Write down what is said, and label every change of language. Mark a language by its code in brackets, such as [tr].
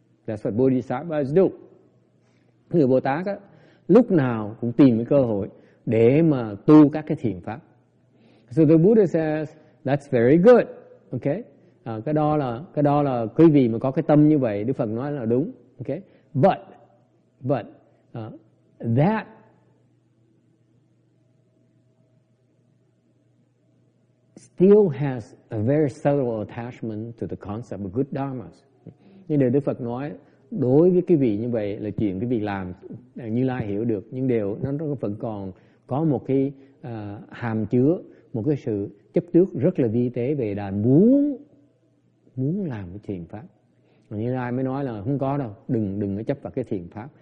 [en] That's what bodhisattvas do. [vi] Người Bồ Tát á, lúc nào cũng tìm cái cơ hội để mà tu các cái thiện pháp. [en] So the Buddha says, that's very good. [vi] Okay? Cái đó là quý vị mà có cái tâm như vậy, Đức Phật nói là đúng. [en] Okay? But that still has a very subtle attachment to the concept of good dharmas. [vi] Nhưng điều Đức Phật nói đối với quý vị như vậy là chuyện quý vị làm Như Lai hiểu được, nhưng điều nó vẫn còn có một cái hàm chứa một cái sự chấp trước rất là vi tế về đàn muốn làm cái thiện pháp. Như Lai mới nói là không có đâu, đừng có chấp vào cái thiện pháp.